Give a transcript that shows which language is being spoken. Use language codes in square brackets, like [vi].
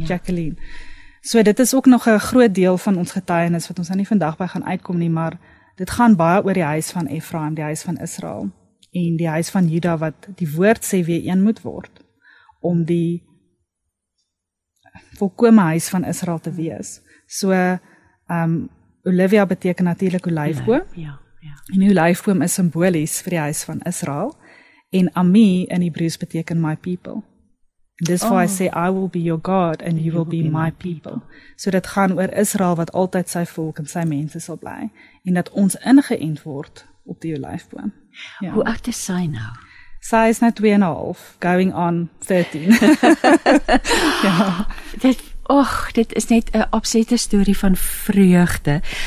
[af] Ja. Jacqueline. So dit is ook nog 'n groot deel van ons getuienis wat ons nou nie vandag by gaan uitkom nie, maar dit gaan baie oor die huis van Ephraim, die huis van Israel, en die huis van Juda, wat die woord sê weer een moet word, om die volkome huis van Israel te wees. So, Olivia beteken natuurlik olyfboom. Ja, ja. En die olyfboom is simbolies vir die huis van Israel. En Ami in Hebreeus beteken [en] my people. Dis why I say, I will be your God and you will be my people. [af] So dit gaan oor Israel wat altyd sy volk en sy mense sal bly. En dat ons ingeënt word op die olyfboom. Ja. Hoe oud is sy nou? Sy is nou 2.5, [en] going on 13. [af] Ja. Dit is net 'n opsette story van vreugde.